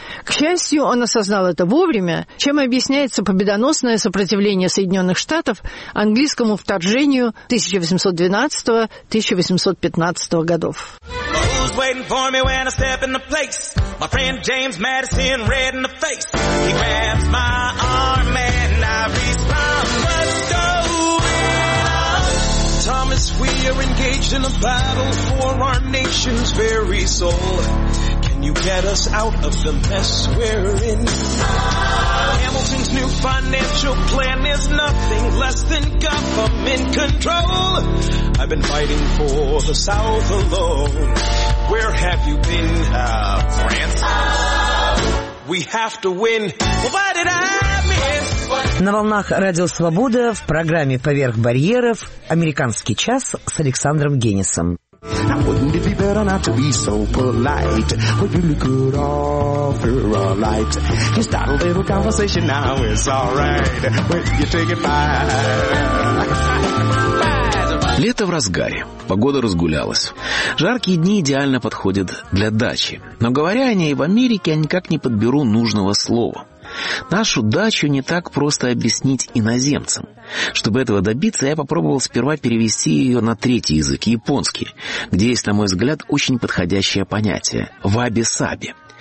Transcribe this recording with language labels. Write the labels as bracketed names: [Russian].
[Russian] К счастью, он осознал это вовремя, чем объясняется победоносное сопротивление Соединенных Штатов английскому вторжению 1817-1815 годов. [English] You get us out of the mess we're in. Hamilton's new financial plan is nothing less than government control. I've been fighting for the South alone. Where have you been, France? We have to win. Well, what did I miss? [Russian] На волнах Радио Свобода в программе «Поверх барьеров» «Американский час» с Александром Генисом. [English] Now wouldn't it be better not to be so polite? Would you look good after a light? Just start a little conversation now, it's alright. When you take it by. [Russian] Лето в разгаре, погода разгулялась. Жаркие дни идеально подходят для дачи. Но говоря о ней в Америке, я никак не подберу нужного слова. Нашу дачу не так просто объяснить иноземцам. Чтобы этого добиться, я попробовал сперва перевести ее на третий язык, японский, где есть, на мой взгляд, очень подходящее понятие – ваби-саби.